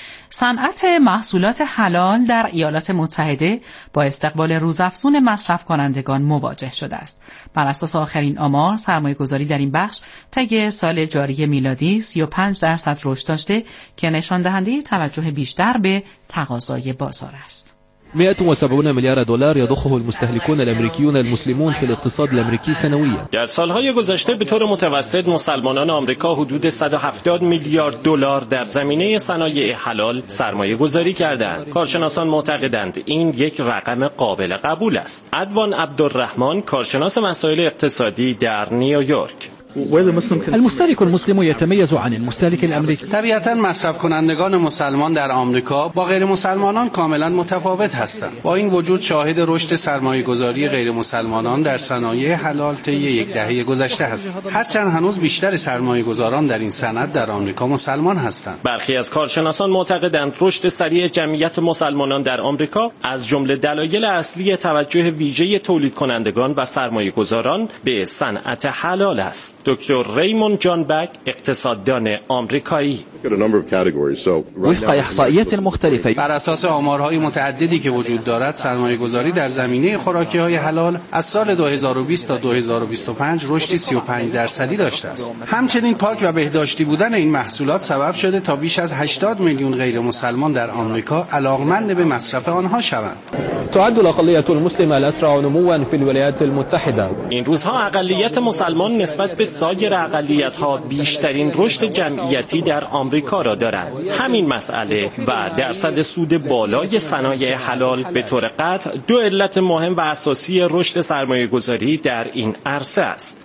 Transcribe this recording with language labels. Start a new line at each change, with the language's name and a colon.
Persian: صنعت محصولات حلال در ایالات متحده با استقبال روزافزون مصرف کنندگان مواجه شده است. بر اساس آخرین آمار، سرمایه گذاری در این بخش طی سال جاری میلادی 35% رشد داشته که نشان دهنده توجه بیشتر به تقاضای بازار است.
Arabic: 170
Persian: میلیارد دلار
Arabic: یضخه المستهلكون الامریکیون المسلمون في الاقتصاد الامریکی سنويا.
Persian: در سالهای گذشته به طور متوسط مسلمانان آمریکا حدود 170 میلیارد دلار در زمینه صنایع حلال سرمایه گذاری کردند. کارشناسان معتقدند این یک رقم قابل قبول است. ادوان عبدالرحمن، کارشناس مسائل اقتصادی در نیویورک:
Arabic: المستهلك المسلم يتميز عن المستهلك الامريكي.
Persian: طبيعتا مصرف کنندگان مسلمان در آمریکا با غیر مسلمانان کاملا متفاوت هستند. با این وجود شاهد رشد سرمایه گذاری غیر مسلمانان در صنایع حلال طی یک دهه گذشته است. هرچند هنوز بیشتر سرمایه گذاران در این صنعت در آمریکا مسلمان هستند. برخی از کارشناسان معتقدند رشد سریع جمعیت مسلمانان در آمریکا از جمله دلایل اصلی توجه ویژه تولید کنندگان و سرمایه گذاران به صنعت حلال است. دکتر ریمون جان بک، اقتصاددان آمریکایی:
Arabic: وفق احصائیات مختلفه،
Persian: بر اساس آمارهای متعددی که وجود دارد، سرمایه گذاری در زمینه خوراکی های حلال از سال 2020 تا 2025 رشدی 35% داشته است. همچنین پاک و بهداشتی بودن این محصولات سبب شده تا بیش از 80 میلیون غیر مسلمان در آمریکا علاقمند به مصرف آنها شوند.
Arabic: تعد الاقلیت المسلمه الاسرع نموا في الولايات المتحده.
Persian: این روزها اقلیت مسلمان نسبت به سایر اقلیت‌ها بیشترین رشد جمعیتی در آمریکا را دارند. همین مسئله و درصد سود بالای صنایع حلال به طور قطع دو علت مهم و اساسی رشد سرمایه‌گذاری در این عرصه است.